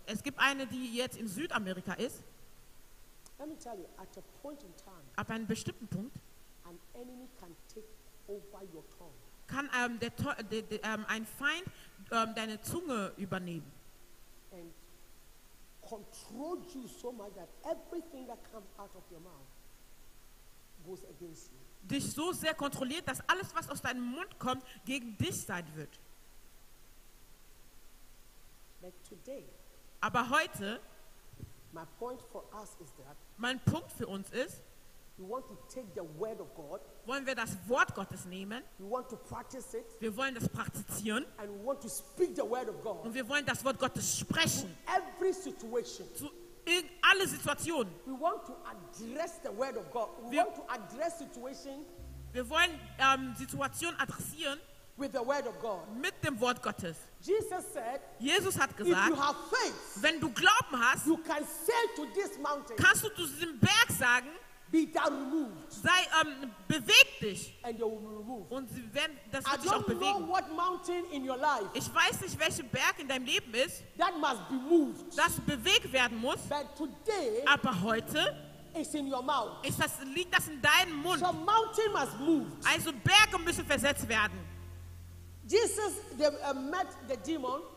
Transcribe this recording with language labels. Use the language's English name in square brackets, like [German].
[German] Es gibt eine, die jetzt in Südamerika ist. [English] Let me tell you, at a point in time, [German] ab einem bestimmten Punkt, [English] an enemy can take over your tongue. [German] Kann ein Feind deine Zunge übernehmen. [English] And control you so much that everything that comes out of your mouth goes against you. [German] Dich so sehr kontrolliert, dass alles, was aus deinem Mund kommt, gegen dich sein wird. [English] But today, [German] aber heute, [English] my point for us is that, [German] mein Punkt für uns ist, [English] we want to take the word of God, [German] wollen wir das Wort Gottes nehmen, [English] we want to practice it, [German] wir wollen das praktizieren, [English] and we want to speak the word of God, [German] und wir wollen das Wort Gottes sprechen, [English] to every situation, [German] zu alle Situationen. [English] We want to address the word of God. We want to address situation, [German] wir wollen Situation adressieren, [English] with the word of God, [German] mit dem Wort Gottes. [English] Jesus said, [German] Jesus hat gesagt, [English] if you have faith, [German] wenn du Glauben hast, [English] you can say to this mountain, [German] kannst du zu diesem Berg sagen, [English] be thou removed. [German] Sei beweg dich. [English] And you will remove. [German] Und sie werden das wird dich auch bewegen. [English] I don't know what mountain in your life, [German] ich weiß nicht, welcher Berg in deinem Leben ist, [English] that must be moved, [German] das bewegt werden muss. [English] But today, [German] aber heute, [English] it's in your mouth. [German] Ist das, liegt das in deinem Mund. [English] So mountain must move. [German] Also Berge müssen versetzt werden. [English] Jesus met the demon.